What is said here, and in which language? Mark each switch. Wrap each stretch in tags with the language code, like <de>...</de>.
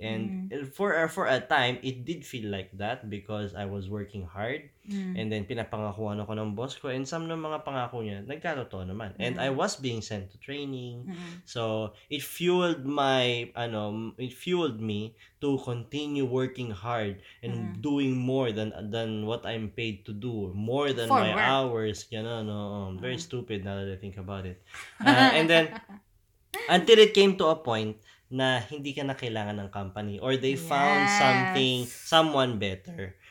<en>And for a time, it did feel like that because I was working hard. And then,</en> <tl>pinapangakuan ako ng boss ko. And some ng mga pangako niya, nagkatotoo naman.</tl> <en>And I was being sent to training. So, it fueled my,</en> <tl>ano,</tl> <en>it fueled me to continue working hard and doing more than what I'm paid to do. More than for my work. Hours. You know, no, very stupid now that I think about it. And then, until it came to a point</en> <tl>na hindi ka na kailangan ng company</tl> <en>or they found something, someone better.</en>